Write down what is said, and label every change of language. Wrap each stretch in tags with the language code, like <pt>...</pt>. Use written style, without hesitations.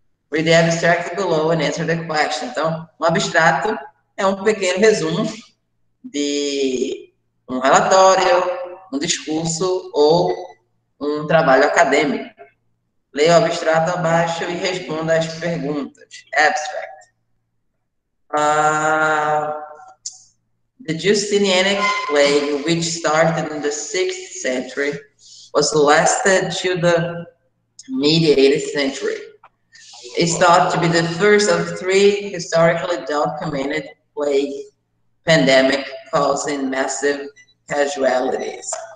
<en>Read the abstract below and answer the question.</en> <pt>Então, um abstrato é um pequeno resumo de um relatório, um discurso ou um trabalho acadêmico. Leia o abstrato abaixo e responda as perguntas.</pt> <en>Abstract. The Justinianic plague, which started in the 6th century, was lasted to the mid-8th century. It's thought to be the first of three historically documented plague pandemic causing massive casualties.</en>